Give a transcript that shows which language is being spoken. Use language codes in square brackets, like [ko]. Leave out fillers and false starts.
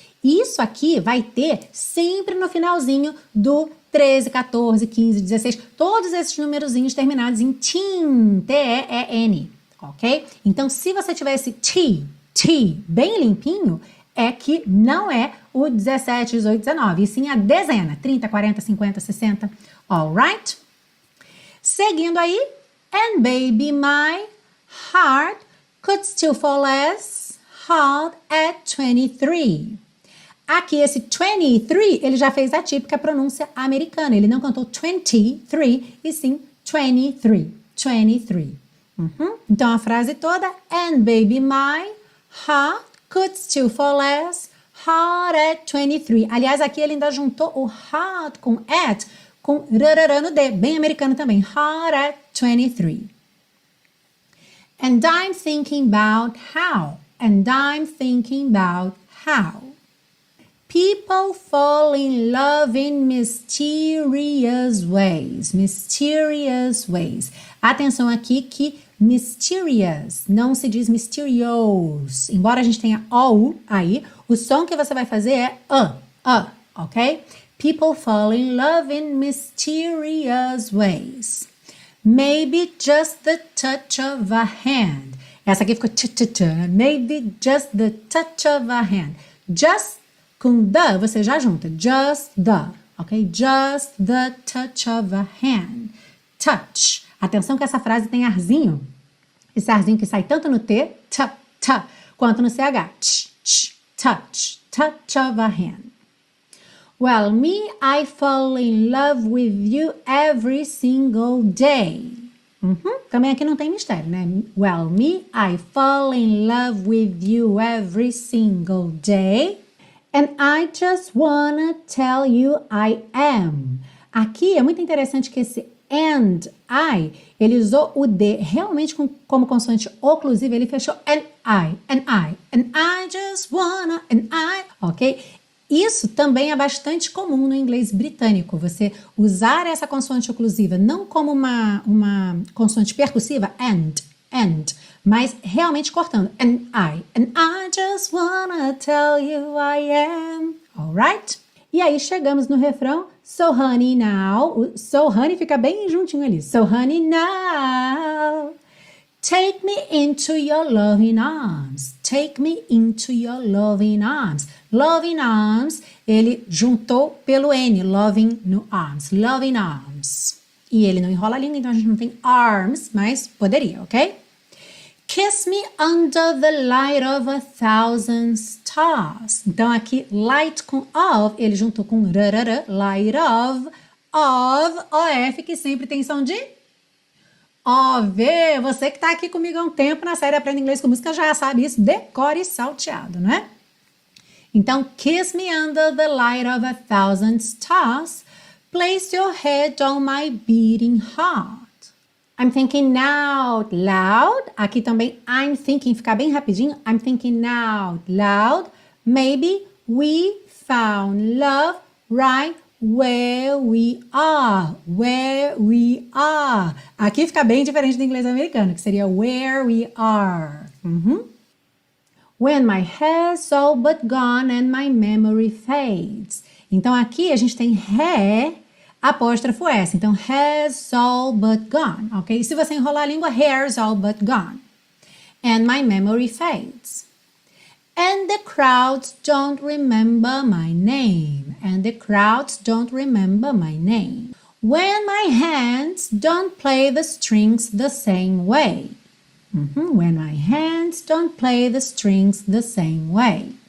[pt] Isso aqui vai ter sempre no finalzinho do 13, 14, 15, 16, todos esses numerozinhos terminados em teen, T-E-E-N, ok? Então, se você tiver esse T, T, bem limpinho, é que não é o 17, 18, 19, e sim a dezena, 30, 40, 50, 60, alright? Seguindo aí, [en] and baby, my heart could still fall as hard at 23. [pt] Aqui, esse 23, ele já fez a típica pronúncia americana. Ele não cantou 23, e sim 23. 23. Uhum. Então, a frase toda, [en] and baby, my heart could still fall as hard at 23. [pt] Aliás, aqui ele ainda juntou o hard com at, com rarara no D, bem americano também. [en] Hard at 23. And I'm thinking about how. And I'm thinking about how. People fall in love in mysterious ways. Mysterious ways. [pt] Atenção aqui que mysterious não se diz mysterious. Embora a gente tenha ou aí, o som que você vai fazer é ok? [en] People fall in love in mysterious ways. Maybe just the touch of a hand. [pt] Essa aqui ficou t-t-t. [en] Maybe just the touch of a hand. [pt] Just com the, você já junta. Just the, ok? [en] Just the touch of a hand. Touch. [pt] Atenção que essa frase tem arzinho. Esse arzinho que sai tanto no T, t, t, quanto no CH. [en] Touch, touch, touch of a hand. Well, me, I fall in love with you every single day. Uhum. [pt] Também aqui não tem mistério, né? [en] Well, me, I fall in love with you every single day. And I just wanna tell you I am. [pt] Aqui é muito interessante que esse and I, ele usou o D realmente como consoante oclusiva, ele fechou and I, and I, [en] and I just wanna, [pt] and I, ok? Isso também é bastante comum no inglês britânico, você usar essa consoante oclusiva não como uma consoante percussiva, and, and, mas realmente cortando. [en] And I just wanna tell you I am. [pt] Alright? E aí chegamos no refrão. [en] So honey now. [pt] So honey fica bem juntinho ali. [en] So honey now. Take me into your loving arms. Take me into your loving arms. Loving arms. [pt] Ele juntou pelo N. [en] Loving no arms. Loving arms. [pt] E ele não enrola a língua, então a gente não tem arms, mas poderia, ok? [en] Kiss me under the light of a thousand stars. [pt] Então, aqui, light com of, ele juntou com rarara, light of, of, que sempre tem som de of. Você que está aqui comigo há um tempo na série Aprenda Inglês com Música já sabe isso, decore salteado, né? Então, [en] kiss me under the light of a thousand stars. Place your head on my beating heart. I'm thinking out loud. [pt] Aqui também, [en] I'm thinking, [pt] fica bem rapidinho. [en] I'm thinking out loud. Maybe we found love right where we are. Where we are. [pt] Aqui fica bem diferente do inglês americano, que seria where we are. Uhum. [en] When my hair's all but gone and my memory fades. [pt] Então, aqui a gente tem hair, apóstrofo S. Então, [en] has all but gone, ok? [pt] E se você enrolar a língua, [en] hair's all but gone. And my memory fades. And the crowds don't remember my name. And the crowds don't remember my name. When my hands don't play the strings the same way. Mm-hmm. When my hands don't play the strings the same way.